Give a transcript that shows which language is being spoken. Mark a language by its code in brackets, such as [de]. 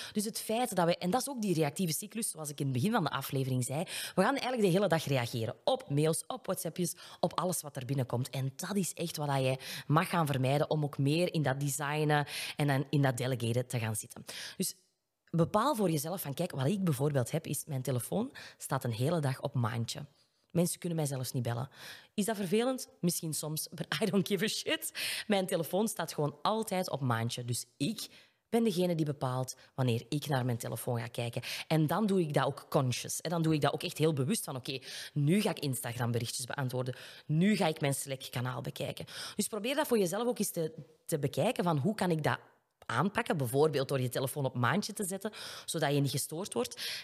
[nl] Dus het feit dat we, en dat is ook die reactieve cyclus, zoals ik in het begin van de aflevering zei, we gaan eigenlijk de hele dag reageren op mails, op WhatsAppjes, op alles wat er binnenkomt. En dat is echt wat je mag gaan vermijden om ook meer in dat designen en in dat delegeren te gaan zitten. Dus bepaal voor jezelf van, kijk, wat ik bijvoorbeeld heb, is mijn telefoon staat een hele dag op maandje. Mensen kunnen mij zelfs niet bellen. Is dat vervelend? Misschien soms, [en] but I don't give a shit. [nl] Mijn telefoon staat gewoon altijd op maandje. Dus ik ben degene die bepaalt wanneer ik naar mijn telefoon ga kijken. En dan doe ik dat ook conscious. En dan doe ik dat ook echt heel bewust van, oké, nu ga ik Instagram berichtjes beantwoorden. Nu ga ik mijn Slack-kanaal bekijken. Dus probeer dat voor jezelf ook eens te bekijken van, hoe kan ik dat aanpakken, bijvoorbeeld door je telefoon op maandje te zetten, zodat je niet gestoord wordt.